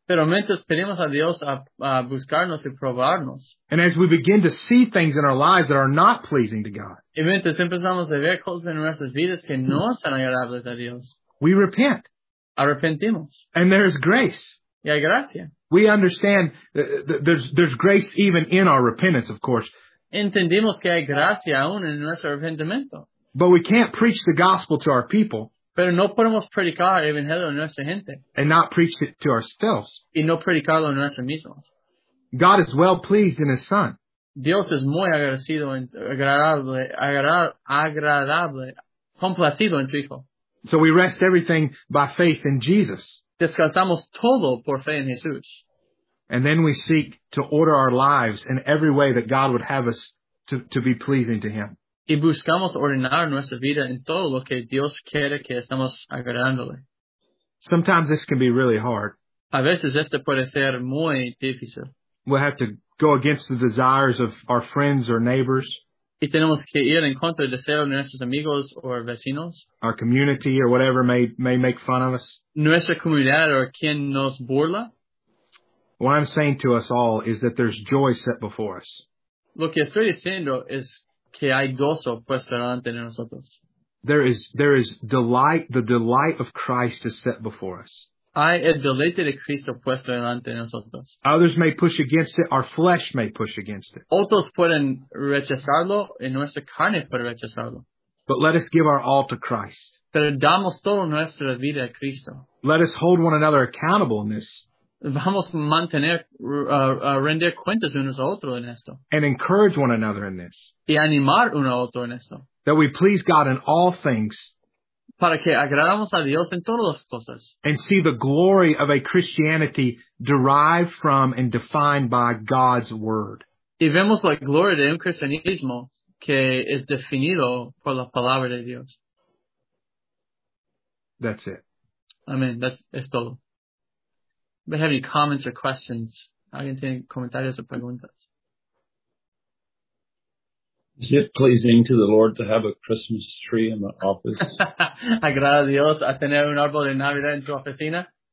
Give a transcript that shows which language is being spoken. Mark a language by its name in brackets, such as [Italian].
[Spanish] Pero mientras pedimos a Dios a buscarnos y probarnos. [English] And as we begin to see things in our lives that are not pleasing to God. [Spanish] Y mientras empezamos a ver cosas en nuestras vidas que no son agradables a Dios. [English] We repent. [Spanish] Arrepentimos. [English] And there is grace. [Spanish] Y hay gracia. [English] We understand there's grace even in our repentance, of course. [Spanish] Entendimos que hay gracia aún en nuestro arrepentimiento. [English] But we can't preach the gospel to our people. [Spanish] Pero no podemos predicar el evangelio a nuestra gente. [English] And not preach it to ourselves. [Spanish] Y no predicarlo a nosotros mismos. [English] God is well pleased in His Son. [Spanish] Dios es muy agradecido, agradable, complacido en su Hijo. [English] So we rest everything by faith in Jesus. [Spanish] Descansamos todo por fe en Jesús. [English] And then we seek to order our lives in every way that God would have us to be pleasing to Him. [Spanish] Y buscamos ordenar nuestra vida en todo lo que Dios quiere que estamos agradándole. [English] Sometimes this can be really hard. [Spanish] A veces esto puede ser muy difícil. [English] We'll have to go against the desires of our friends or neighbors. [Spanish] Y tenemos que ir en contra del deseo de nuestros amigos o vecinos. [English] Our community or whatever may make fun of us. [Spanish] Nuestra comunidad o quien nos burla. [English] What I'm saying to us all is that there's joy set before us. [Spanish] Lo que estoy diciendo es que hay gozo puesto delante de nosotros. [English] There is delight, the delight of Christ is set before us. [Spanish] Hay el deleite de Cristo puesto delante de nosotros. [English] Others may push against it. Our flesh may push against it. [Spanish] Otros pueden rechazarlo y nuestra carne puede rechazarlo. [English] But let us give our all to Christ. [Spanish] Pero damos toda nuestra vida a Cristo. [English] Let us hold one another accountable in this. [Spanish] Vamos a mantener, render cuentas unos a otros en esto. [English] And encourage one another in this. [Spanish] Y animar uno a otro en esto. [English] That we please God in all things. [Spanish] Para que agradamos a Dios en todas las cosas. [English] And see the glory of a Christianity derived from and defined by God's Word. [Spanish] Y vemos la gloria de un cristianismo que es definido por la palabra de Dios. [English] That's it. Amen. That's todo. If you have any comments or questions, [Spanish] alguien tiene comentarios o preguntas. [English] Is it pleasing to the Lord to have a Christmas tree in the office? [Spanish] ¿Agrada a Dios a tener un árbol de Navidad en tu oficina?